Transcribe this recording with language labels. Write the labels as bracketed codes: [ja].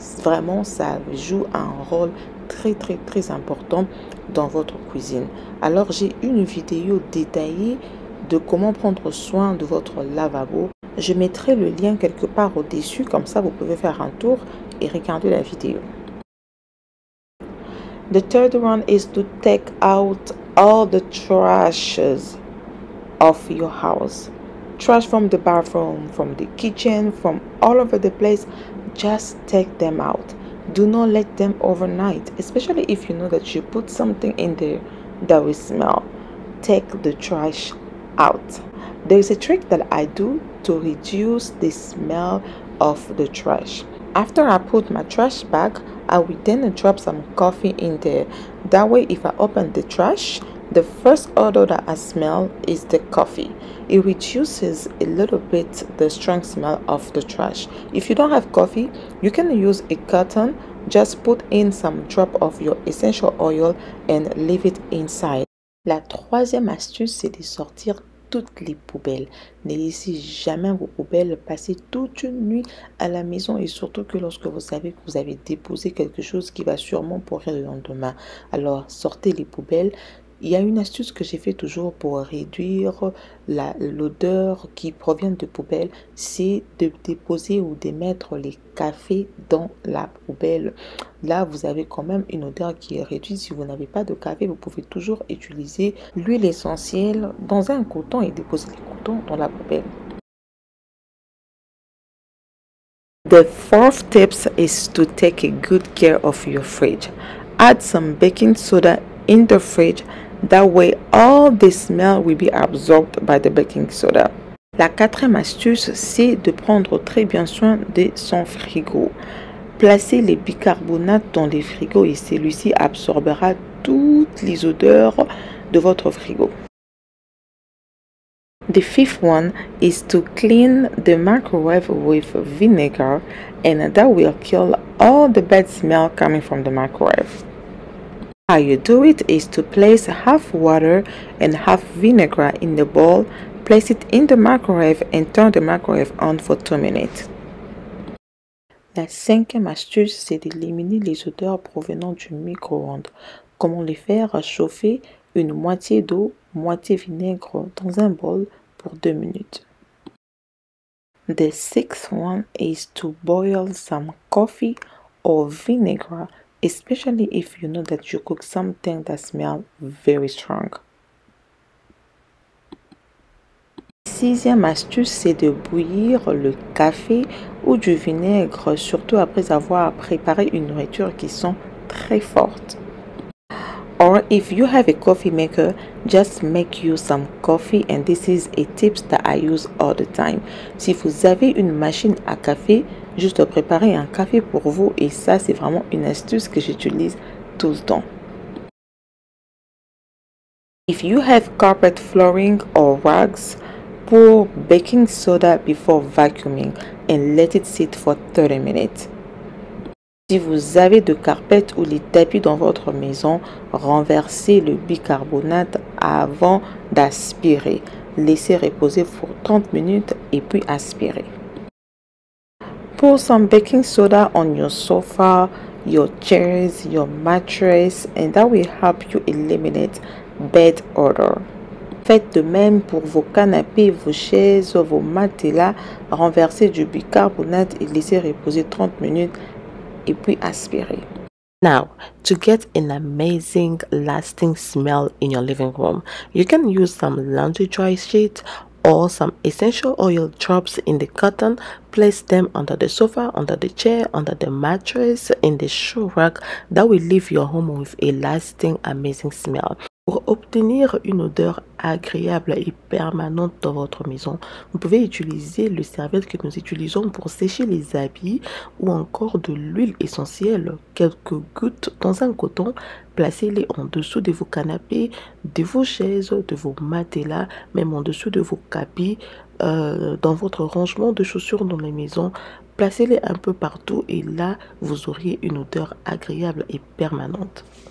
[fr] Vraiment, ça joue un rôle très très très important dans votre cuisine. Alors, j'ai une vidéo détaillée de comment prendre soin de votre lavabo. Je mettrai le lien quelque part au-dessus, comme ça vous pouvez faire un tour et regarder la vidéo. [en] The third one is to take out all the trashes of your house. Trash from the bathroom, from the kitchen, from all over the place. Just take them out. Do not let them overnight, especially if you know that you put something in there that will smell. Take the trash out. There is a trick that I do to reduce the smell of the trash. After I put my trash bag, I will then drop some coffee in there. That way, if I open the trash, the first odor that I smell is the coffee. It reduces a little bit the strong smell of the trash. If you don't have coffee, you can use a curtain. Just put in some drop of your essential oil and leave it inside. [fr] La troisième astuce, c'est de sortir toutes les poubelles. Ne laissez jamais vos poubelles passer toute une nuit à la maison, et surtout que lorsque vous savez que vous avez déposé quelque chose qui va sûrement pourrir le lendemain. Alors sortez les poubelles. Il y a une astuce que j'ai fait toujours pour réduire l'odeur qui provient de poubelles, c'est de déposer ou de mettre les cafés dans la poubelle. Là, vous avez quand même une odeur qui est réduite. Si vous n'avez pas de café, vous pouvez toujours utiliser l'huile essentielle dans un coton et déposer les cotons dans la poubelle. [en] The fourth tip is to take a good care of your fridge. Add some baking soda in the fridge. That way, all the smell will be absorbed by the baking soda. [fr] La quatrième astuce, c'est de prendre très bien soin de son frigo. Placez les bicarbonates dans les frigos et celui-ci absorbera toutes les odeurs de votre frigo. [en] The fifth one is to clean the microwave with vinegar, and that will kill all the bad smell coming from the microwave. How you do it is to place half water and half vinegar in the bowl, place it in the microwave and turn the microwave on for 2 minutes. [fr] La cinquième astuce, c'est d'éliminer les odeurs provenant du micro-ondes. Comment les faire? Chauffer une moitié d'eau, moitié vinaigre dans un bol pour 2 minutes. [en] The sixth one is to boil some coffee or vinegar, especially if you know that you cook something that smells very strong. [fr] Sixième astuce, c'est de bouillir le café ou du vinaigre, surtout après avoir préparé une nourriture qui sent très forte. [en] Or if you have a coffee maker, just make you some coffee, and this is a tip that I use all the time. [fr] Si vous avez une machine à café, juste préparez un café pour vous, et ça c'est vraiment une astuce que j'utilise tout le temps. [en] If you have carpet flooring or rugs, pour baking soda before vacuuming and let it sit for 30 minutes. [fr] Si vous avez de carpettes ou les tapis dans votre maison, renversez le bicarbonate avant d'aspirer. Laissez reposer pour 30 minutes et puis aspirez. [en] Pour some baking soda on your sofa, your chairs, your mattress, and that will help you eliminate bed odor. [fr] Faites de même pour vos canapés, vos chaises, vos matelas. Renversez du bicarbonate et laissez reposer 30 minutes et puis aspirez. [en] Now, to get an amazing lasting smell in your living room, you can use some laundry dry sheets or some essential oil drops in the cotton. Place them under the sofa, under the chair, under the mattress, in the shoe rack. That will leave your home with a lasting amazing smell. [fr] Pour obtenir une odeur agréable et permanente dans votre maison, vous pouvez utiliser le serviette que nous utilisons pour sécher les habits ou encore de l'huile essentielle, quelques gouttes dans un coton, placez-les en dessous de vos canapés, de vos chaises, de vos matelas, même en dessous de vos tapis, dans votre rangement de chaussures dans les maisons, placez-les un peu partout et là vous auriez une odeur agréable et permanente.